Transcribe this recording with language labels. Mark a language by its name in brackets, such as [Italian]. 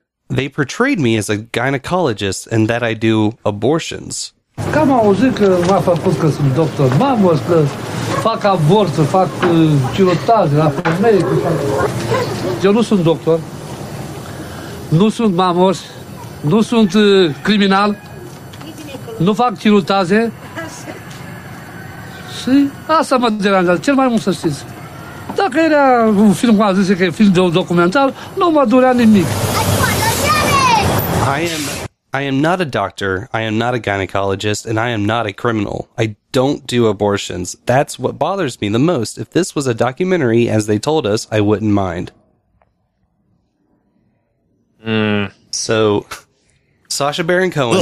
[English] They portrayed me as a gynecologist and that I do abortions. [Romanian] Cam auzit că m-a făcut că sunt doctor mamă, că fac avorturi, fac cirotaze la femei. Eu nu sunt doctor, nu sunt mamos, nu sunt criminal, nu fac cirotaze. Și asta mă deranjează, cel mai mult să știți. Dacă era un film, cum a zis, că e film de un documentar, nu mă durea nimic. [English] I am not a doctor, I am not a gynecologist, and I am not a criminal. I don't do abortions. That's what bothers me the most. If this was a documentary, as they told us, I wouldn't mind. Mm. So, Sacha Baron Cohen